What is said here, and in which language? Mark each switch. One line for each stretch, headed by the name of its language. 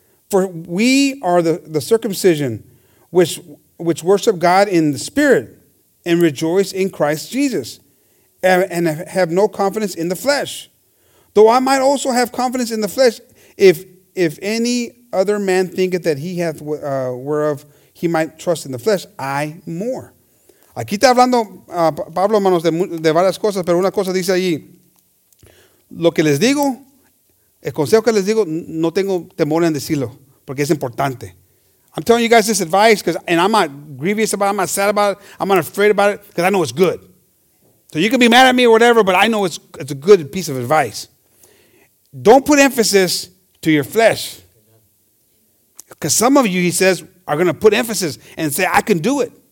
English: For we are the circumcision, which worship God in the spirit and rejoice in Christ Jesus, and have no confidence in the flesh. Though I might also have confidence in the flesh, if any other man thinketh that he hath whereof he might trust in the flesh, I more.
Spanish: Aquí está hablando Pablo, hermanos, de varias cosas, pero una cosa dice allí. Lo que les digo, el consejo que les digo, no tengo temor en decirlo, porque es importante.
English: I'm telling you guys this advice, because I'm not grievous about it, I'm not sad about it, I'm not afraid about it, because I know it's good. So you can be mad at me or whatever, but I know it's a good piece of advice. Don't put emphasis to your flesh. Because some of you, he says, are going to put emphasis and say, I can do it.